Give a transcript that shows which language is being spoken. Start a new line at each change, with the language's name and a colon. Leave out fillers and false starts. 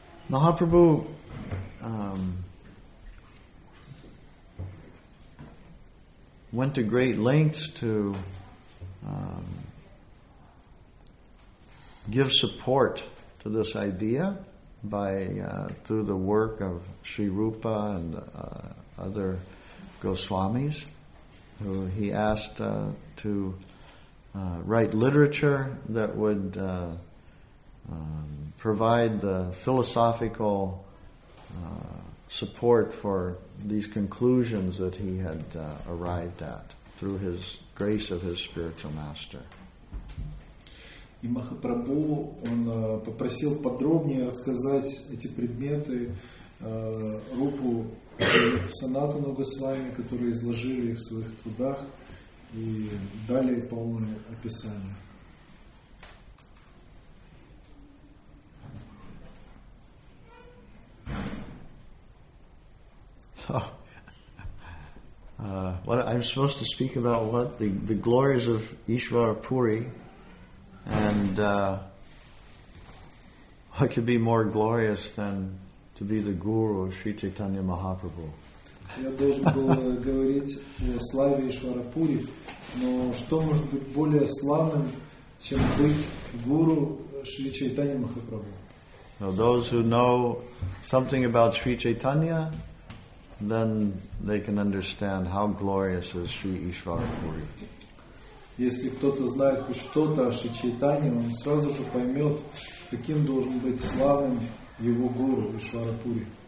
English: Mahaprabhu went to great lengths to give support to this idea through the work of Sri Rupa and other Goswamis, who he asked to write literature that would provide the philosophical support for these conclusions that he had arrived at through his grace of his spiritual master.
Russian: И Махапрабху, он попросил подробнее рассказать эти предметы Рупу Санатану Госвами, которые изложили их в своих трудах и дали полное описание.
English: What I'm supposed to speak about what the glories of Ishvara Puri, and what could be more glorious than to be the guru of Sri Chaitanya Mahaprabhu?
Russian: Я должен был говорить о славе Ишвара Пури, но что может быть более славным, чем быть гуру Шри Чайтанья Махапрабху?
English: Now those who know something about Sri Chaitanya, then they can understand how glorious is Sri Ishvara Puri.
Russian: Если кто-то знает хоть что-то о Шри Чайтанье, он сразу же поймет, каким должен быть славным его гуру Ишварапури.